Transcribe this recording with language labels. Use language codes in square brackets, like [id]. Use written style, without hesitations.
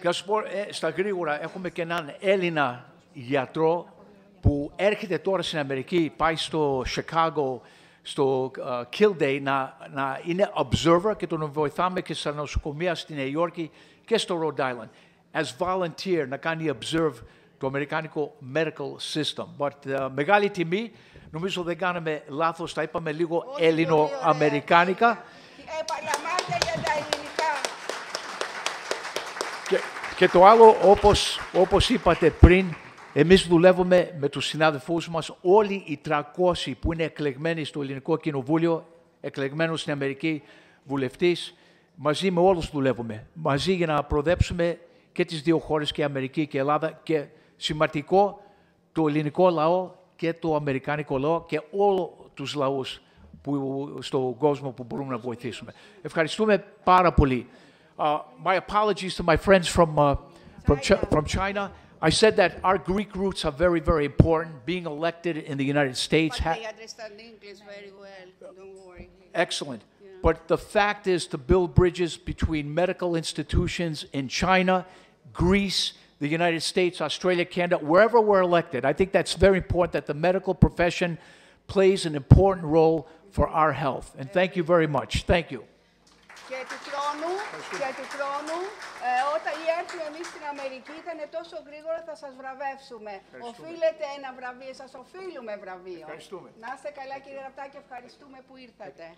[el] Και ας πω, στα γρήγορα, έχουμε και έναν Έλληνα γιατρό που έρχεται τώρα στην Αμερική, πάει στο Chicago, στο Kilday, να είναι observer και τον βοηθάμε και στα νοσοκομεία στη Νέα Υόρκη και στο Rhode Island. As volunteer, να κάνει observe το αμερικάνικο medical system. But μεγάλη τιμή. Νομίζω δεν κάναμε λάθος. Τα είπαμε λίγο ελληνοαμερικάνικα. Επαναλαμβάνετε για τα ελληνικά. Και το άλλο, όπως είπατε πριν, εμείς δουλεύουμε με τους συνάδελφούς μας. Όλοι οι 300 που είναι εκλεγμένοι στο ελληνικό κοινοβούλιο, εκλεγμένος στην Αμερική βουλευτής, μαζί με όλους δουλεύουμε. Μαζί για να προδέψουμε και τις δύο χώρες, και Αμερική και Ελλάδα, και σημαντικό το ελληνικό λαό και το αμερικάνικο λαό και όλους τους λαούς στον κόσμο που μπορούμε να βοηθήσουμε. Ευχαριστούμε πάρα πολύ. [en] My apologies to my friends from China. I said that our Greek roots are very, very important, being elected in the United States. But they understand English very well, don't worry. Excellent. Yeah. But the fact is to build bridges between medical institutions in China, Greece, the United States, Australia, Canada, wherever we're elected. I think that's very important that the medical profession plays an important role for our health. And thank you very much. Thank you. [el] Και του χρόνου, όταν έρθουμε εμείς στην Αμερική, ήταν τόσο γρήγορα, θα σας βραβεύσουμε. Οφείλετε ένα βραβείο, σας οφείλουμε βραβείο. Ευχαριστούμε. Να είστε καλά, κύριε Ραπτάκη, ευχαριστούμε που ήρθατε.